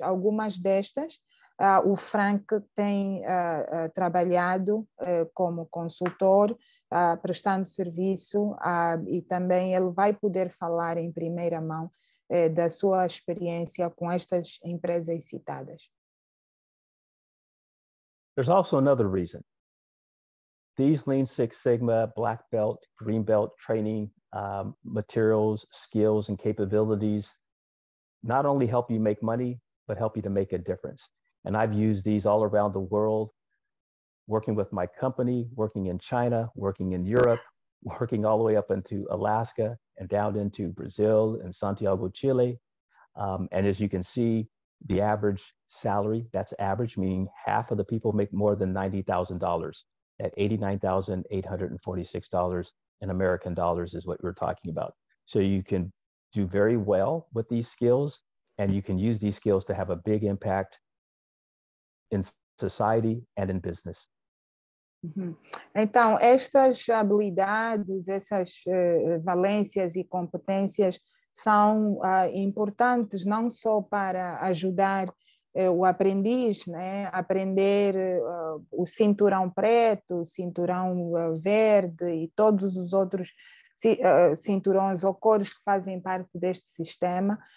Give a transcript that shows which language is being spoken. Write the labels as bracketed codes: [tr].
[pt] Algumas destas, o Frank tem trabalhado como consultor, prestando serviço, e também ele vai poder falar em primeira mão da sua experiência com estas empresas citadas. [en] There's also another reason. These Lean Six Sigma, Black Belt, Green Belt training materials, skills, and capabilities not only help you make money, but help you to make a difference. And I've used these all around the world, working with my company, working in China, working in Europe, working all the way up into Alaska and down into Brazil and Santiago, Chile. And as you can see, the average salary, that's average, meaning half of the people make more than $90,000. At $89,846 in American dollars is what we're talking about. So you can do very well with these skills and you can use these skills to have a big impact in society and in business. [pt] Então, estas habilidades, essas valências e competências são importantes não só para ajudar o aprendiz, né? Aprender o cinturão preto, o cinturão verde e todos os outros cinturões ou cores que fazem parte deste sistema.